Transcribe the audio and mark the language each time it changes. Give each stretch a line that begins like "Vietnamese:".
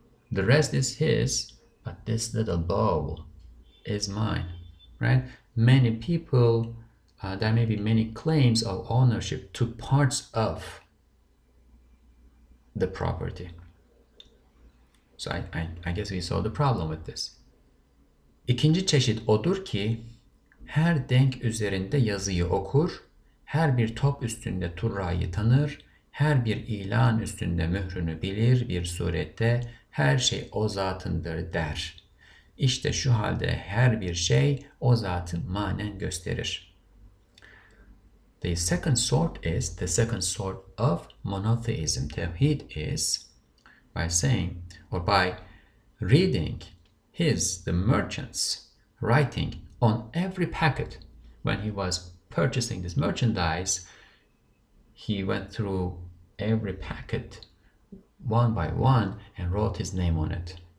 English: The rest is his, but this little bowl is mine, right? Many people, there may be many claims of ownership to parts of the property. So I guess we saw the problem with this.
Turkish: İkinci çeşit odur ki, her denk üzerinde yazıyı okur, her bir top üstünde turrayı tanır, her bir ilan üstünde mührünü bilir, bir surette her şey o zatındır der. İşte şu halde her bir şey o zatı manen gösterir.
English: The second sort is, the second sort of monotheism, tevhid is, by saying or by reading his, the merchant's, writing on every packet. When he was purchasing this merchandise, he went through every packet one by one and wrote his name on it.